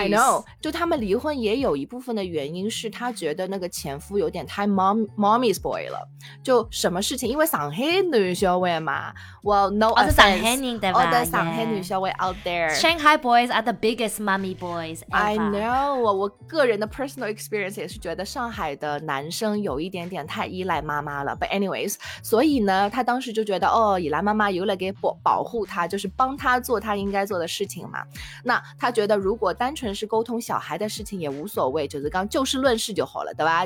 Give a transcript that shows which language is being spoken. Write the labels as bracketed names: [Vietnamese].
[Chinese] I know， 就他们离婚也有一部分的原因是他觉得那个前夫有点太 mommy's boy 了，就什么事情，因为上海女小伟嘛， [English] well no offense， [Chinese] 上海人对吧，上海女小伟 [English] out there， Shanghai boys are the biggest mommy boys ever. [Chinese] I know， 我个人的 personal experience 也是觉得上海的男生有一点点太依赖妈妈了， [English] but anyways， [Chinese] 所以呢他当时就觉得，哦，依赖妈妈有了给 保护他，就是帮他做他应该做的事情嘛。那他觉得如果单纯是沟通小孩的事情也无所谓，就是刚就事论事就好了，对吧？